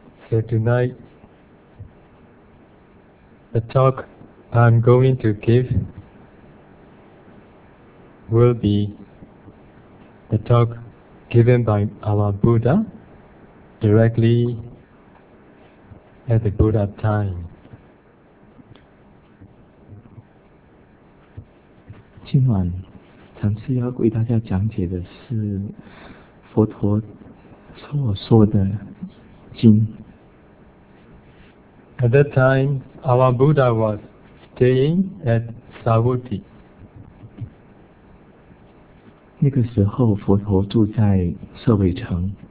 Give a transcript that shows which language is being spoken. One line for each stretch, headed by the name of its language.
English: So tonight, the talk I'm going to give will be the talk given by our Buddha directly at the Buddha time.
Chinese: 今晚禅师要给大家讲解的是佛陀所说的经。
English: At that time, our Buddha was staying at Savatthi.
Chinese: 那个时候，佛陀住在舍卫城。